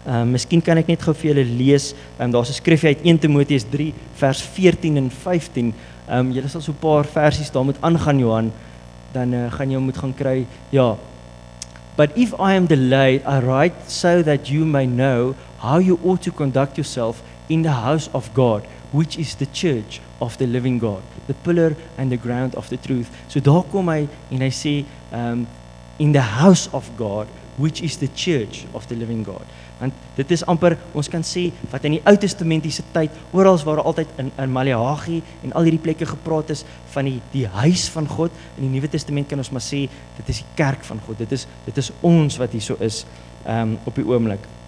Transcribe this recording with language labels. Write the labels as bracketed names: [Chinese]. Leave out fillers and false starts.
[Afrikaans] Miskien kan ek net gou vir julle lees. Daar's 'n skrifgie uit 1 Timoteus 3 vers 14 en 15. Julle sal so 'n paar versies daar moet aangaan, Johan, dan gaan jy moet gaan kry. Ja. [English] But if I am delayed, I write so that you may know how you ought to conduct yourself in the house of God, which is the church of the living God, the pillar and the ground of the truth. [Afrikaans] So daar kom hy en hy sê [English] in the house of God, which is the church of the living God. [Afrikaans] Want dit is amper, ons kan sê, wat in die Ou Testamentiese tyd, oral waar altyd in Maleagi en al hierdie plekke gepraat is, van die huis van God, in die Nuwe Testament kan ons maar sê, dit is die kerk van God, dit is ons wat hier so is, op die oomblik.